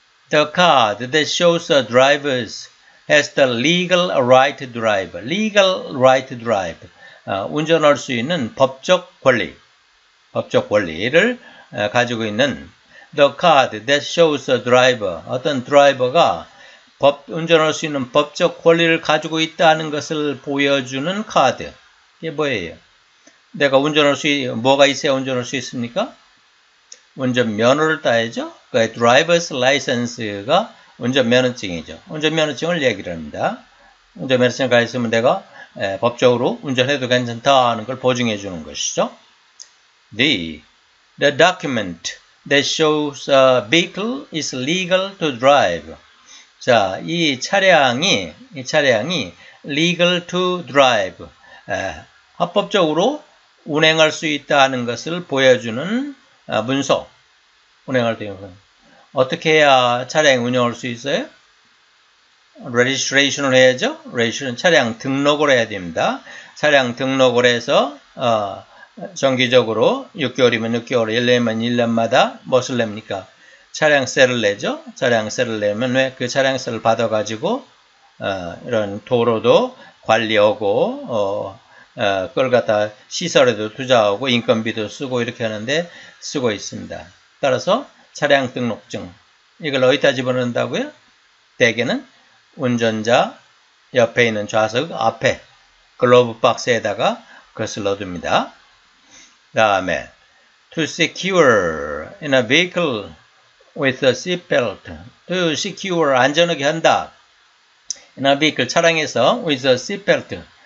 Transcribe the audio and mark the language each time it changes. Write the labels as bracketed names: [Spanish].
[English] The card that shows the drivers has the legal right to drive. legal right to drive. [Korean] 운전할 수 있는 법적 권리. 법적 권리를 가지고 있는 [English] The card that shows the driver. [Korean] 어떤 드라이버가 운전할 수 있는 법적 권리를 가지고 있다는 것을 보여주는 카드. 이게 뭐예요? 내가 운전할 수, 뭐가 있어야 운전할 수 있습니까? 운전면허를 따야죠? 그게 driver's license가 운전면허증이죠. 운전면허증을 얘기를 합니다. 운전면허증을 가지고 있으면 내가 법적으로 운전해도 괜찮다는 걸 보증해 주는 것이죠. [English] The document. That shows a vehicle is legal to drive. [Korean] 자, 이 차량이 [English] legal to drive. [Korean] 합법적으로 운행할 수 있다는 것을 보여주는 문서. 운행할 때 어떻게 해야 차량 운영할 수 있어요? Registration을 해야죠. Registration, 차량 등록을 해야 됩니다. 차량 등록을 해서 정기적으로 6개월이면 6개월, 1년이면 1년마다 무엇을 냅니까? 차량세를 내죠. 차량세를 내면 왜그 차량세를 받아가지고 이런 도로도 관리하고 그걸 갖다 시설에도 투자하고 인건비도 쓰고 이렇게 하는데 쓰고 있습니다. 따라서 차량 등록증, 이걸 어디다 집어넣는다고요? 대개는 운전자 옆에 있는 좌석 앞에 글러브 박스에다가 그것을 넣어둡니다. 다음에 [English] to secure in a vehicle with a seat belt. to secure [Korean] 안전하게 한다. [English] in a vehicle [Korean] 차량에서 [English] with a seat belt.